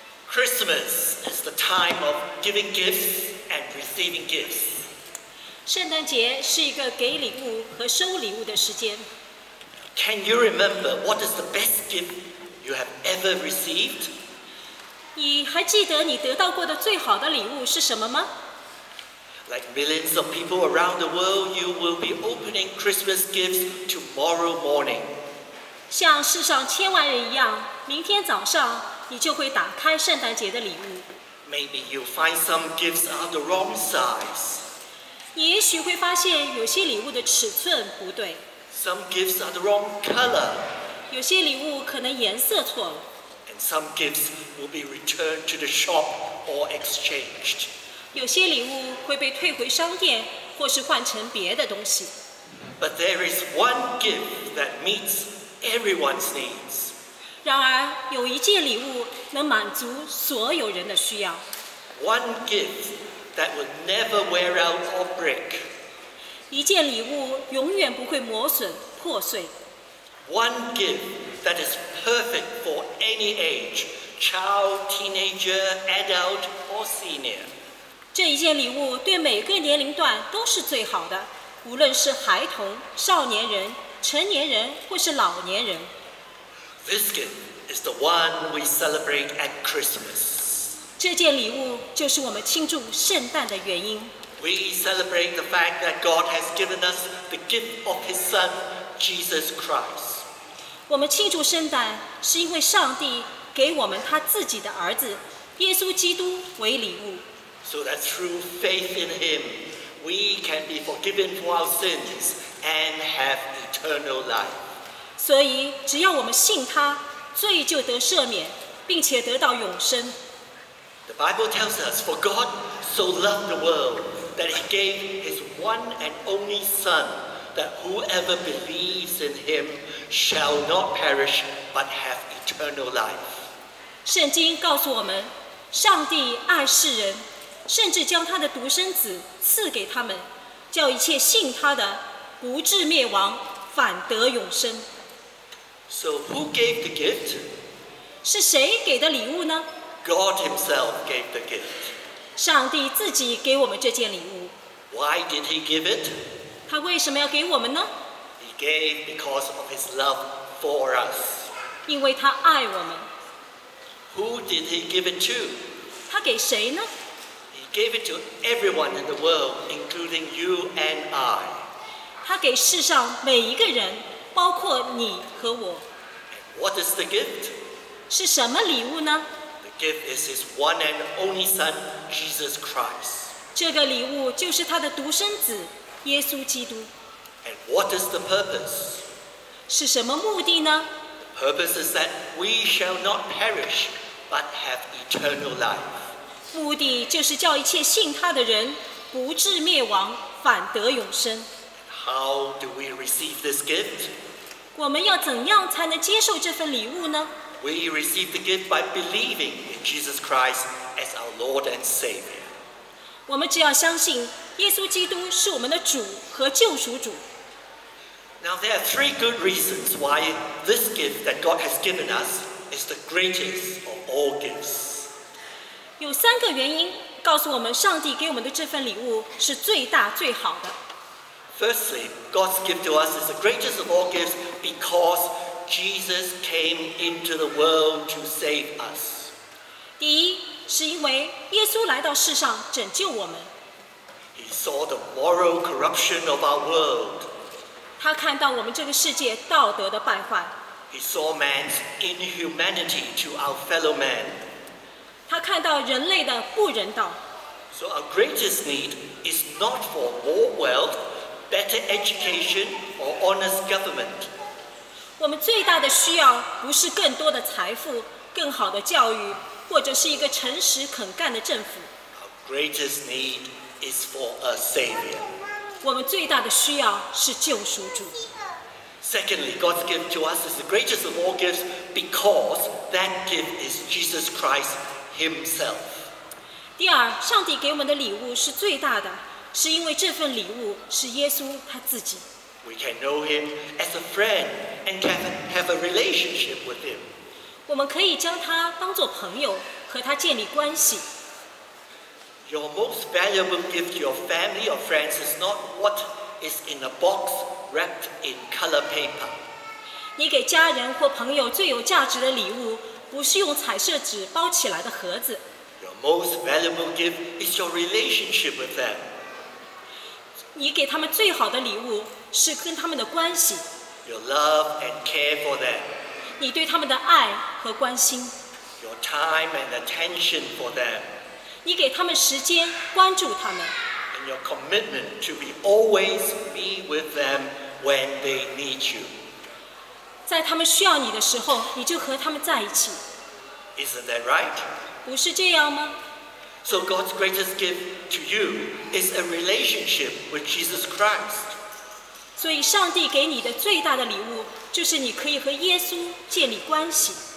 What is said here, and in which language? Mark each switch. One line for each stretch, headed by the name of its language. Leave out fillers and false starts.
English: Christmas is the time of giving gifts and receiving gifts.
Chinese: 圣诞节是一个给礼物和收礼物的时间。
English: Can you remember what is the best gift you have ever received?
Chinese: 你还记得你得到过的最好的礼物是什么吗？
English: Like millions of people around the world, you will be opening Christmas gifts tomorrow morning.
Chinese: 像世上千万人一样，明天早上你就会打开圣诞节的礼物。
English: Maybe you find some gifts are the wrong size.
Chinese: 你也许会发现有些礼物的尺寸不对。
English: Some gifts are the wrong color.
Chinese: 有些礼物可能颜色错了。
English: And some gifts will be returned to the shop or exchanged.
Chinese: 有些礼物会被退回商店或是换成别的东西。
English: But there is one gift that meets everyone's needs.
Chinese: 然而有一件礼物能满足所有人的需要。
English: One gift that will never wear out or break.
Chinese: 一件礼物永远不会磨损、破碎。
English: One gift that is perfect for any age, child, teenager, adult, or senior.
Chinese: 这一件礼物对每个年龄段都是最好的，无论是孩童、少年人、成年人或是老年人。
English: This gift is the one we celebrate at Christmas.
Chinese: 这件礼物就是我们庆祝圣诞的原因。
English: We celebrate the fact that God has given us the gift of His Son, Jesus Christ.
Chinese: 我们庆祝圣诞是因为上帝给我们他自己的儿子耶稣基督为礼物。
English: So that through faith in Him, we can be forgiven for our sins and have eternal life.
Chinese: 所以只要我们信他，罪就得赦免，并且得到永生。
English: The Bible tells us, for God so loved the world that He gave His one and only Son, that whoever believes in Him shall not perish but have eternal life.
Chinese: 圣经告诉我们，上帝爱世人，甚至将他的独生子赐给他们，叫一切信他的不至灭亡，反得永生。
English: So who gave the gift?
Chinese: 是谁给的礼物呢？
English: God Himself gave the gift.
Chinese: 上帝自己给我们这件礼物。
English: Why did He give it?
Chinese: 他为什么要给我们呢？
English: He gave because of His love for us.
Chinese: 因为他爱我们。
English: Who did He give it to?
Chinese: 他给谁呢？
English: He gave it to everyone in the world, including you and I.
Chinese: 他给世上每一个人，包括你和我。
English: What is the gift?
Chinese: 是什么礼物呢？
English: Gift is His one and only Son, Jesus Christ.
Chinese: 这个礼物就是他的独生子耶稣基督。
English: And what is the purpose?
Chinese: 是什么目的呢？
English: The purpose is that we shall not perish, but have eternal life.
Chinese: 目的就是叫一切信他的人不至灭亡，反得永生。
English: How do we receive this gift?
Chinese: 我们要怎样才能接受这份礼物呢？
English: We receive the gift by believing in Jesus Christ as our Lord and Savior.
Chinese: 我们只要相信耶稣基督是我们的主和救赎主。
English: Now there are three good reasons why this gift that God has given us is the greatest of all gifts.
Chinese: 有三个原因告诉我们上帝给我们的这份礼物是最大最好的。
English: Firstly, God's gift to us is the greatest of all gifts becauseJesus came into the world to save us.
Chinese: 第一，是因为耶稣来到世上拯救我们。
English: He saw the moral corruption of our world.
Chinese: 他看到我们这个世界道德的败坏。
English: He saw man's inhumanity to our fellow man.
Chinese: 他看到人类的不人道。
English: So our greatest need is not for more wealth, better education, or honest government.
Chinese: 我们最大的需要不是更多的财富、更好的教育，或者是一个诚实肯干的政府。
English: Our greatest need is for a savior.
Chinese: 我们最大的需要是救赎主。
English: Secondly, God's gift to us is the greatest of all gifts because that gift is Jesus Christ Himself.
Chinese: 第二，上帝给我们的礼物是最大的，是因为这份礼物是耶稣他自己。
English: We can know Him as a friend and can have a relationship with Him.
Chinese: 我们可以将他当作朋友，和他建立关系。
English: Your most valuable gift to your family or friends is not what is in a box wrapped in color paper.
Chinese: 你给家人或朋友最有价值的礼物，不是用彩色纸包起来的盒子。
English: Your most valuable gift is your relationship with them.
Chinese: 你给他们最好的礼物是跟他们的关系。
English: Your love and care for them.
Chinese: 你对他们的爱和关心。
English: Your time and attention for them.
Chinese: 你给他们时间关注他们。
English: And your commitment to be always be with them when they need you.
Chinese: 在他们需要你的时候，你就和他们在一起。
English: Isn't that right?
Chinese: 不是这样吗？
English: So God's greatest gift to you is a relationship with Jesus Christ.
Chinese: 所以上帝给你的最大的礼物就是你可以和耶稣建立关系。